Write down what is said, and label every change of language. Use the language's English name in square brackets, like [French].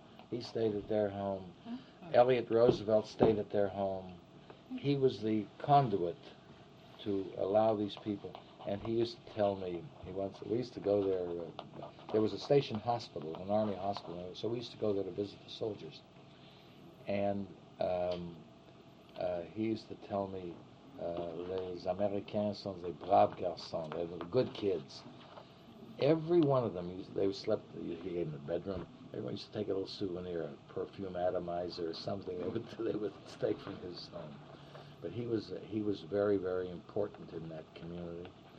[English] He stayed at their home. Elliot Roosevelt stayed at their home. He was the conduit to allow these people. And he used to tell me, we used to go there. There was a station hospital, an army hospital. So we used to go there to visit the soldiers. And he used to tell me, [French] les Américains sont des braves garçons. [English] They were good kids. Every one of them, they slept, he gave them a bedroom. Everyone used to take a little souvenir, a perfume atomizer or something they would take from his home. But he was very, very important in that community.